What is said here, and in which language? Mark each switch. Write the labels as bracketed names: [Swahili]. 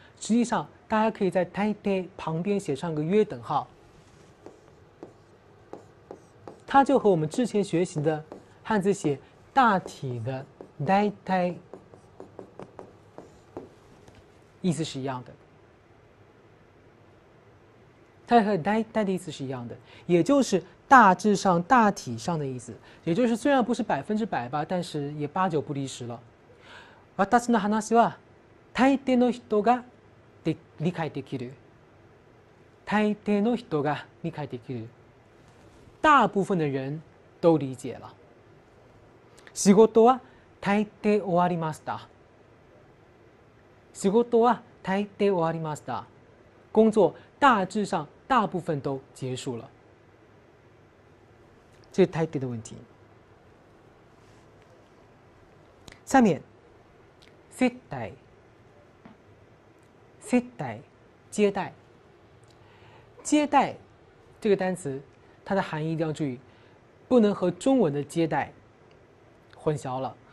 [Chinese] 实际上，大家可以在大抵旁边写上个约等号，它就和我们之前学习的汉字写大体的大抵意思是一样的，它和大抵的意思是一样的，也就是大致上、大体上的意思，也就是虽然不是百分之百吧，但是也八九不离十了。 [Japanese] 私の話は大抵の人が理解できる。大抵の人が理解できる。 [Chinese] 大部分的人都理解了。 [Japanese] 仕事は大抵終わりました。仕事は大抵終わりました。 [Chinese] 工作大致上大部分都结束了。这是太低的问题。下面，接待，接待，接待，接待，这个单词它的含义一定要注意，不能和中文的接待混淆了。